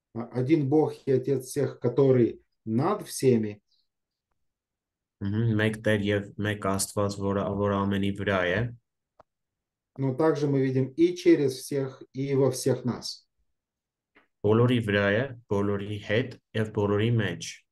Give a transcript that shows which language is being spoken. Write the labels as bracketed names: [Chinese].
[Russian] Один Бог и Отец всех, который над всеми. [Armenian] Մեկ Տեր եւ մեկ Աստված, որը ամենի վրա է։ [Russian] Но также мы видим и через всех, и во всех нас. [Armenian] Բոլորի վրա է, բոլորի հետ եւ բոլորի մեջ։